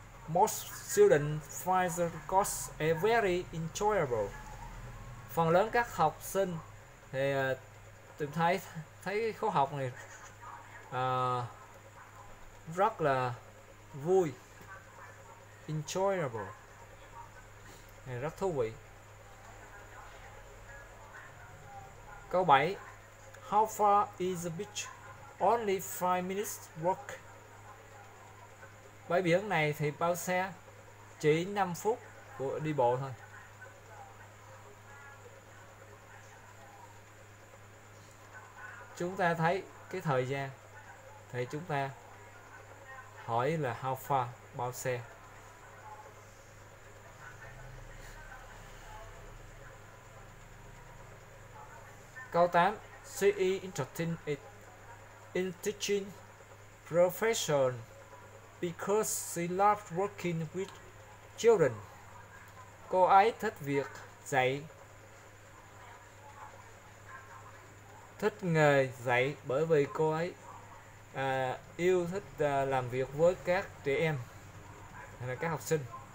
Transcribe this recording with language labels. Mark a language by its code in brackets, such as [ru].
[en] Most students find the course a very enjoyable. [vi] Phần lớn các học sinh thì tìm thấy khóa học này rất là vui, enjoyable, này rất thú vị. Câu 7. [en] How far is the beach? Only 5 minutes walk. [vi] Bãi biển này thì bao xa? Chỉ 5 phút của đi bộ thôi. Chúng ta thấy cái thời gian thì chúng ta hỏi là [en] how far, [vi] bao xa. Câu 8. [en] She is interested in teaching profession because she loves working with children. [vi] Cô ấy thích việc dạy, thích nghề dạy bởi vì cô ấy yêu thích làm việc với các trẻ em hay là các học sinh.